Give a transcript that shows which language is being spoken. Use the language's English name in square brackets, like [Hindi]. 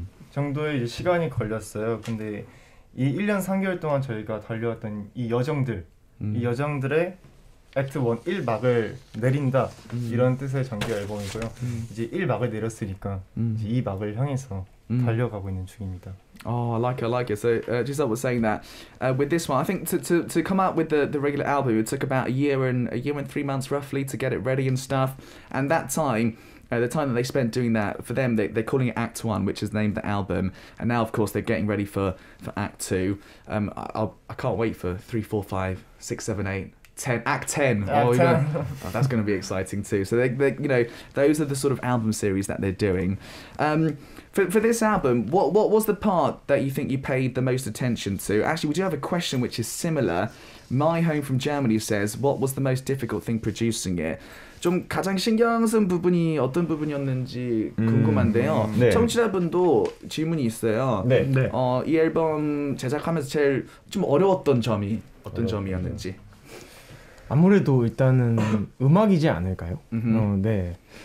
[Korean] 정도의 이제 시간이 걸렸어요. 근데 이 1년 3개월 동안 저희가 달려왔던 이 여정들, 이 여정들의 액트 1, 1막을 내린다 이런 뜻의 정규 앨범이고요. 이제 1막을 내렸으니까 이제 2막을 향해서 달려가고 있는 중입니다. [English] Oh, I like it. So Giselle was saying that with this one, I think to come out with the regular album, it took about a year and 3 months roughly to get it ready and stuff. And that time, the time that they spent doing that, for them, they're calling it Act One, which is the name of the album. And now, of course, they're getting ready for Act Two. I can't wait for 3, 4, 5, 6, 7, 8. Act 10. Oh, you know, that's going to be exciting too. So those are the sort of album series that they're doing. For this album, what was the part that you think you paid the most attention to? Actually, we do have a question which is similar. My Home from Germany says, what was the most difficult thing producing it? [Korean] 좀 가장 신경 쓴 부분이 어떤 부분이었는지 궁금한데요. 네. 청취자분도 질문이 있어요. 네. 네. 이 앨범 제작하면서 제일 좀 어려웠던 점이 어떤 점이었는지. 아무래도 일단은 음악이지 않을까요? 네.